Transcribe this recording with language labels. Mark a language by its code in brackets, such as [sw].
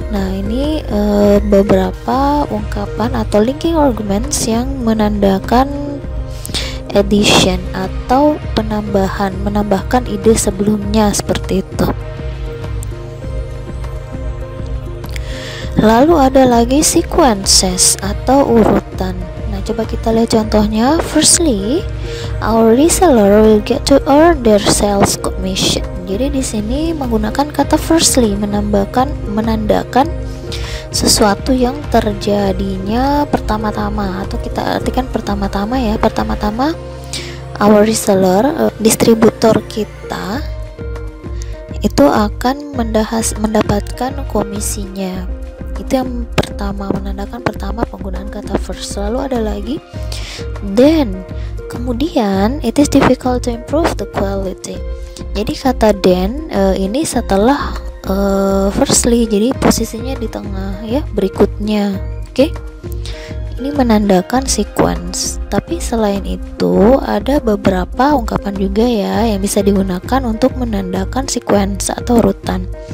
[id] Nah, ini beberapa ungkapan atau linking arguments yang menandakan addition atau penambahan, menambahkan ide sebelumnya seperti itu. Lalu ada lagi sequences atau urutan. Nah, coba kita lihat contohnya. [en] Firstly, our reseller will get to earn their sales commission. [id] Jadi di sini menggunakan kata firstly, menandakan sesuatu yang terjadinya pertama-tama, atau kita artikan pertama-tama ya. Pertama-tama [en] our reseller, [id] distributor kita itu akan mendapatkan komisinya. Itu yang pertama, menandakan pertama penggunaan kata first. Lalu ada lagi then. Kemudian [en] it is difficult to improve the quality. [id] Jadi kata then ini setelah firstly, jadi posisinya di tengah ya, berikutnya. Oke. [en] Okay? [id] Ini menandakan sequence. Tapi selain itu ada beberapa ungkapan juga ya yang bisa digunakan untuk menandakan sequence atau urutan.